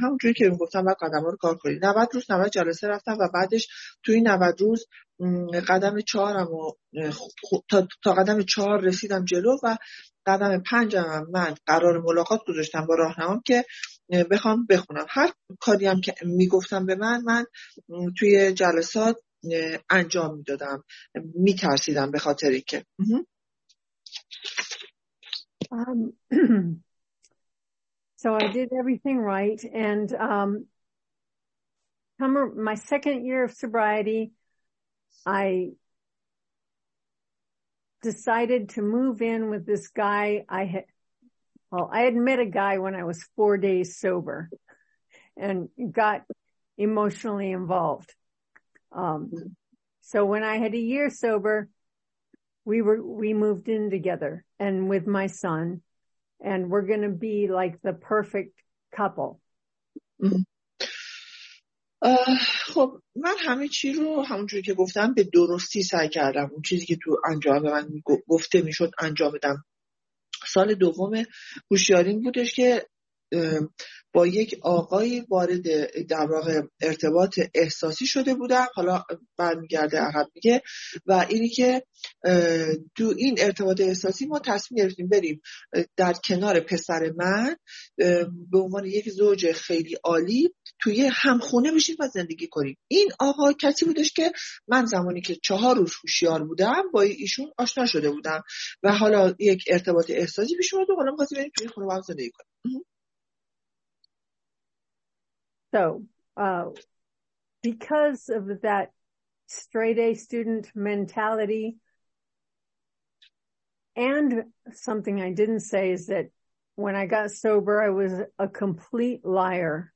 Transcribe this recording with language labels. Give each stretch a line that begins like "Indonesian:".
Persian: همونجوری که میگفتم بعد قدم ها رو کار کنید. 90 روز 90 جلسه رفتم و بعدش توی 90 روز قدم 4 هم و تا قدم 4 رسیدم جلو و قدم 5 هم من قرار ملاقات گذاشتم با راهنمام که بخوام بخونم. هر کاری هم که میگفتم به من توی جلسات انجام میدادم. میترسیدم به خاطر اینکه
English: so I did everything right, and my second year of sobriety, I decided to move in with this guy. I had met a guy when I was 4 days sober and got emotionally involved. So when I had a year sober, we moved in together and with my son, and we're going to be like the perfect couple.
Persian: خب من همه چی رو همونجوری که گفتم به درستی سعی کردم، اون چیزی که تو انجام من گفته میشد انجام بدم. سال دوم هوشیاریم بودش که با یک آقایی وارد در واقع ارتباط احساسی شده بودم، حالا برمیگرده عقب میگه، و اینی که تو این ارتباط احساسی ما تصمیم گرفتیم بریم در کنار پسر من به عنوان یک زوج خیلی عالی توی همخونه بشیم و زندگی کنیم. این آقا کسی بودش که من زمانی که 4 روز هوشیار بودم با ایشون آشنا شده بودم و حالا یک ارتباط احساسی پیش اومد و حالا می‌خواستیم بریم توی خونه با هم زندگی کنیم.
English: So, because of that straight A student mentality, and something I didn't say is that when I got sober, I was a complete liar.